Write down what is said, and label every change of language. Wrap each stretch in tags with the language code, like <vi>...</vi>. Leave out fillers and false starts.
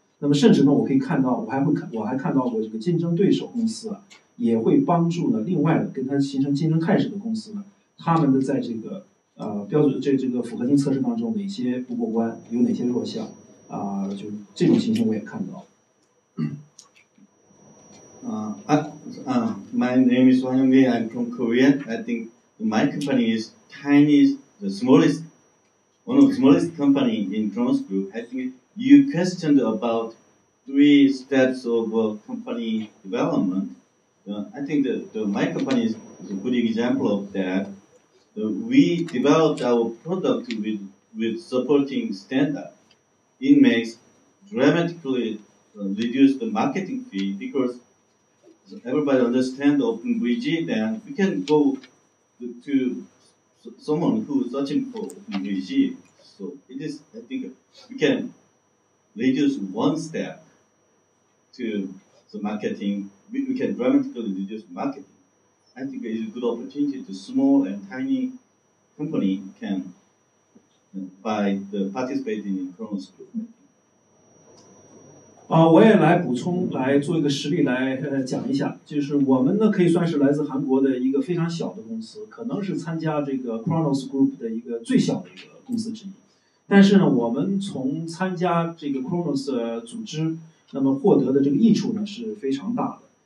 <zh>那么甚至呢，我可以看到，我还看到过这个竞争对手公司啊，也会帮助呢另外的跟他形成竞争态势的公司呢，他们的在这个标准这个复合性测试当中哪些不过关，有哪些弱项啊，就这种情形我也看到。</zh> <en>My name is Hwanyong. I'm from Korea. I think my company is.Tiny is the smallest one of the smallest company in Khronos Group, I think you questioned about three steps of company development. I think the my company is a good example of that. We developed our product with supporting standard. It makes dramatically reduce the marketing fee because everybody understands OpenVG, then we can go to someone who's searching for OpenVG. So it is, I think, we can reduce one step to the marketing. We can dramatically reduce marketing. I think it's a good opportunity to small and tiny company can by the participating in Khronos Group.</en> <zh>我也来补充，来做一个实例来讲一下，就是我们呢可以算是来自韩国的一个非常小的公司，可能是参加这个 Khronos Group 的一个最小的一个公司之一。但是呢，我们从参加这个 Khronos 组织，那么获得的这个益处呢是非常大的。</zh>